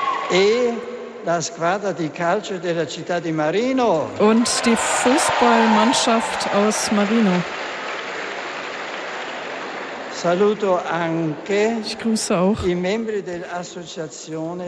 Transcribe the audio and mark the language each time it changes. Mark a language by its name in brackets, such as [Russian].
[Italian] E la squadra di calcio della città di Marino. [German] Und die Fußballmannschaft aus Marino. [Italian] Saluto anche [German] ich grüße auch [Italian] i membri dell'associazione